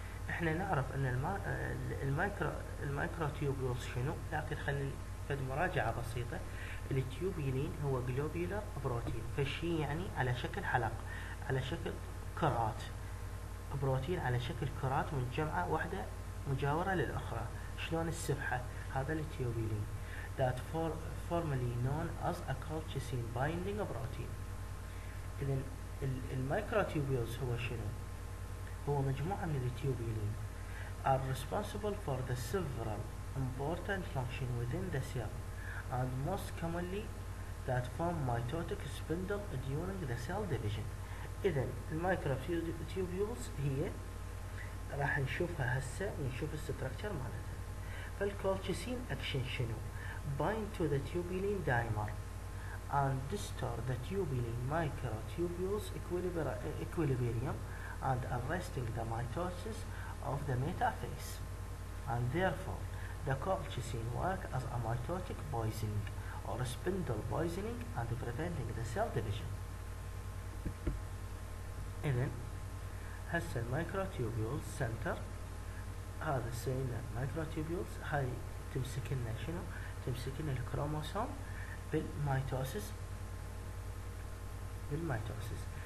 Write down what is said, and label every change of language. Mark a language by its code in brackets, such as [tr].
[ar] احنا نعرف ان المايكروتوبيولز شنو، لكن خلينا فد مراجعه بسيطه. التيوبولين هو جلوبيولر بروتين، فشي يعني على شكل حلق، على شكل كرات، بروتين على شكل كرات متجمعه واحده مجاوره للاخرى، شلون السبحه، هذا التيوبولين. [en] That formerly known as a colchicine binding protein. [ar] اذا المايكروتوبيولز هو شنو؟ هو مجموعه من التيوبولين. [en] Are responsible for the several important function within the cell. And most commonly that form mitotic spindle during the cell division. [ar] اذا المايكروتوبيولز هي راح نشوفها هسه ونشوف الستركتشر مالتها. فالكولتشيسين اكشن شنو؟ [en] bind to the tubulin dimer and distort the tubulin microtubules equilibrium and arresting the mitosis of the metaphase. And therefore the colchicine work as a mitotic poisoning or a spindle poisoning and preventing the cell division. [ar] إذن هسه المايكروتوبيولز سنتر، هذا سينا مايكروتوبيولز، هاي تمسك لنا شنو؟ تمسك لنا الكروموسوم بالميتوسيس.